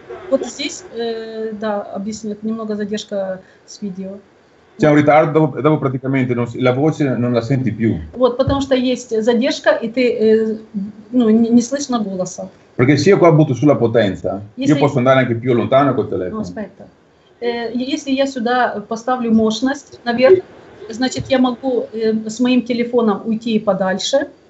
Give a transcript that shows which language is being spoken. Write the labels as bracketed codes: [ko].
[ru] Вот здесь, да, объясню, немного задержка с видео. [it] C'è un ritardo, dopo praticamente la voce non la senti più. [ru] Вот, потому что есть задержка, и ты, ну, не слышно голоса. [it] Perché se io qua butto sulla potenza, io posso andare anche più lontano col telefono. No, aspetta. [ru] Если я сюда поставлю мощность наверх, значит, я могу с моим телефоном уйти подальше.